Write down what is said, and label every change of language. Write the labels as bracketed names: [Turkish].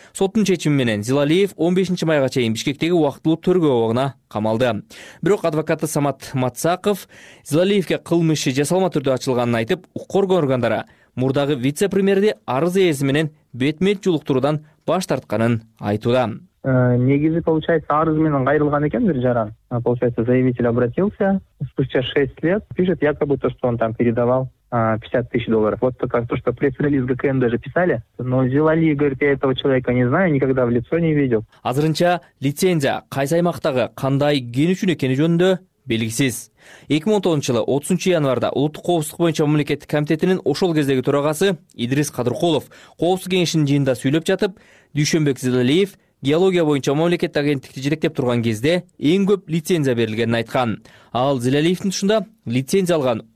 [Kyrgyz] Соттун чечими менен Зилалиев 15 майга чейин Бишкектеги убактылуу тергөө абагына камалды. Бирок адвокаты Самат Матсаков Зилалиевке кылмыш иши жасалма түрдө ачылганын айтып, укук коргоо органдары мурдагы вице-премьерди арыз ээси менен бетмет жолуктуруудан баш тартканын айтууда. Негизи [Russian] получается [Kyrgyz] арыз менен кайрылган экен бир жаран. [Russian] Получается заявитель обратился спустя 6 лет, пишет якобы то, что он там передавал 50,000 долларов. Вот только то, что пресс-релиз ГКН даже писали. Но Зилалиев говорит, я этого человека не знаю, никогда в лицо не видел. [Kyrgyz] Азырынча лицензия кайсы аймактагы кандай ген үчүн экени жөнүндө белгисиз. 2019-жылы 30 январда Улуттук Коопсуздук боюнча мамлекеттик комитетинин ошол кездеги төрагасы Идрис Кадыркулов Коопсуздук кеңешинин жыйынында сүйлөп жатып, Дүйшөнбек Зилалиев геология боюнча мамлекеттик агенттикти жетектеп турган кезде эң көп лицензия берилгенин айткан. Ал Зилалиевдин тушунда лицензия алган